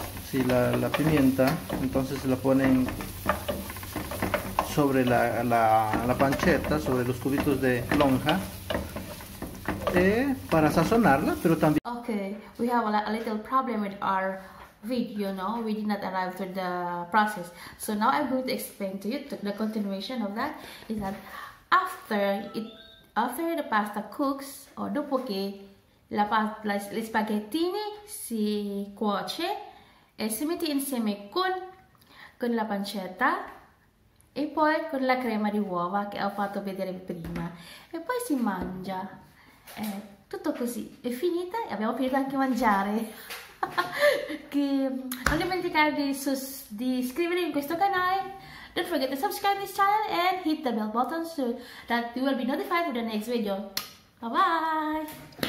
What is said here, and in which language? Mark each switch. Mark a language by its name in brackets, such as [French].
[Spanish] Sí, la pimienta, entonces la ponen sobre la pancetta, sobre los cubitos de lonja, para sazonarla, pero también... [English] Okay, we have a little problem with our... video, no, we did not arrive to the process. So now I'm going to explain to you the continuation of that. Is that after the pasta cooks, or [Italian] dopo che la spaghettini si cuoce e si mette insieme con la pancetta e poi con la crema di uova che ho fatto vedere prima e poi si mangia. Tutto così è finita e abbiamo finito anche mangiare. Non dimenticare di iscrivervi in questo canale. [English] Don't forget to subscribe this channel and hit the bell button so that you will be notified for the next video. Bye bye.